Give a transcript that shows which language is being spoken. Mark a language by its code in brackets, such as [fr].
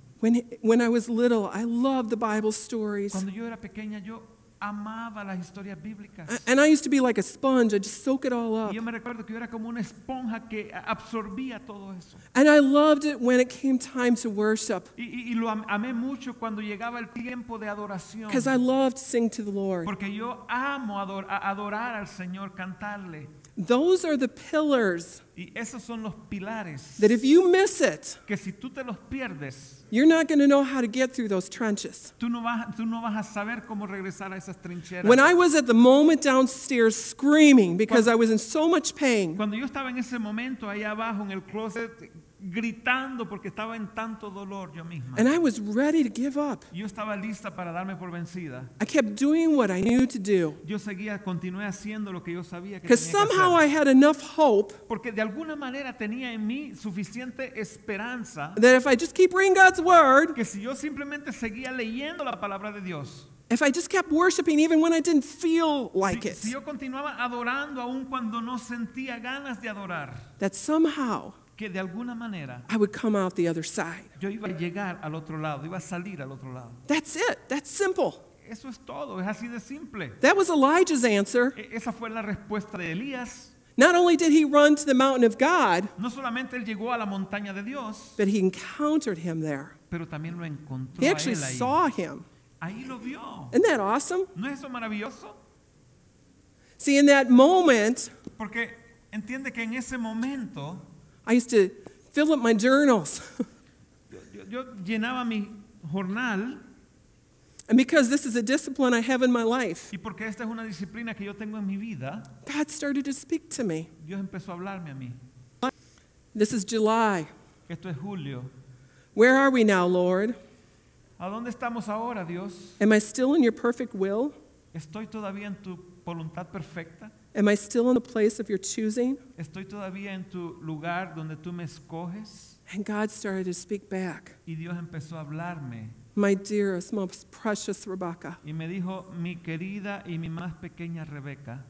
[en] When I was little, I loved the Bible stories. [es] Cuando yo era pequeña, yo amaba las historias bíblicas. [en] And I used to be like a sponge; I'd just soak it all up. [es] Y yo me recuerdo que yo era como una esponja que absorbía todo eso. [en] And I loved it when it came time to worship. [es] Y lo amé mucho cuando llegaba el tiempo de adoración. [en] Because I loved singing to the Lord. [es] Porque yo amo adorar al Señor, cantarle. [en] Those are the pillars. [es] Y esos son los pilares. [en] That if you miss it, [es] que si tú te los pierdes. [en] You're not going to know how to get through those trenches. [es] Tú no vas a saber cómo regresar a esas trincheras. [en] When I was at the moment downstairs screaming because I was in so much pain. [es] Cuando yo estaba en ese momento ahí abajo en el closet gritando porque estaba en tanto dolor yo misma. [en] And I was ready to give up. [es] Yo estaba lista para darme por vencida. [en] I kept doing what I knew to do. [es] Yo seguía, continué haciendo lo que yo sabía que tenía que hacer. [en] Because somehow I had enough hope. [es] Porque de alguna manera tenía en mí suficiente esperanza. [en] That if I just keep reading God's word. [es] Que si yo simplemente seguía leyendo la palabra de Dios. [en] If I just kept worshiping even when I didn't feel like [es] si yo continuaba adorando aun cuando no sentía ganas de adorar. [en] That somehow. [es] Que de alguna manera, [en] I would come out the other side. [es] Yo iba a llegar al otro lado, iba a salir al otro lado. [en] That's it. That's simple. [es] Eso es todo. Es así de simple. [en] That was Elijah's answer. [es] Esa fue la respuesta de Elías. [en] Not only did he run to the mountain of God, [es] no solamente él llegó a la montaña de Dios, [en] but he encountered him there. [es] Pero también lo encontró [en] he actually [es] a él ahí. [en] Saw him. [es] Ahí lo vio. [en] Isn't that awesome? [es] ¿No es eso maravilloso? [en] See, in that moment, [es] porque entiende que en ese momento, [en] I used to fill up my journals. [es] Yo llenaba mi jornal. [en] And because this is a discipline I have in my life. [es] Y porque esta es una disciplina que yo tengo en mi vida. [en] God started to speak to me. [es] Dios empezó a hablarme a mí. [en] This is July. [es] Esto es julio. [en] Where are we now, Lord? [es] ¿A dónde estamos ahora, Dios? [en] Am I still in your perfect will? [es] ¿Estoy todavía en tu voluntad perfecta? [en] Am I still in the place of your choosing? [es] Estoy todavía en tu lugar donde tú me escoges. [en] And God started to speak back. [es] Y Dios empezó a hablarme. [en] My dearest, most precious Rebecca. [es] Y me dijo, mi querida y mi más pequeña Rebecca.